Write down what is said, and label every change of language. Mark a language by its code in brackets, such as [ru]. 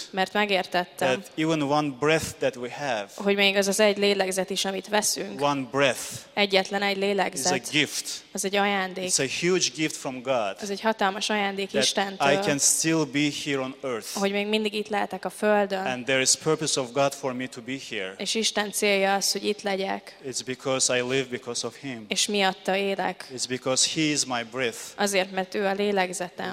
[hu] Mert megértettem. [en] That even one breath that we have. [hu] Hogy még az az egy lélegzet is, amit veszünk. [en] One breath. [hu] Egyetlen egy lélegzet. [en] Is a gift. [hu] Az egy ajándék. [en] It's a huge gift from God. [hu] Ez egy hatalmas ajándék Istentől. [en] I can still be here on earth. [hu] Hogy még mindig itt lehetek a földön. [en] And there is purpose of God for me to be here. [hu] És Isten célja az, hogy itt legyek. [en] It's because I live because of Him. [hu] És miatta élek. [en] It's because He is my breath. [hu] Azért, mert ő a lélegzetem.